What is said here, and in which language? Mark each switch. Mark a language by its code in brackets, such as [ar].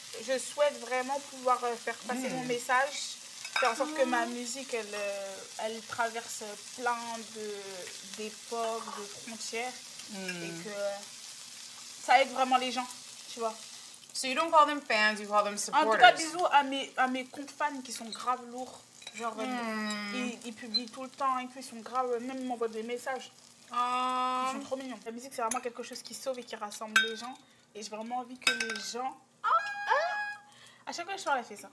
[fr] Je souhaite vraiment pouvoir faire passer mon message, faire en sorte que ma musique, elle traverse plein d'époques, de frontières, et que ça aide vraiment les gens, tu vois. [en] So you don't call them fans, you call them supporters. [fr] En tout cas, bisous à mes comptes fans qui sont grave lourds. Genre, ils publient tout le temps, et puis ils sont grave, même ils m'envoient des messages. Ils sont trop mignons. La musique, c'est vraiment quelque chose qui sauve et qui rassemble les gens. Et j'ai vraiment envie que les gens... À chaque fois, je parle, elle fait ça.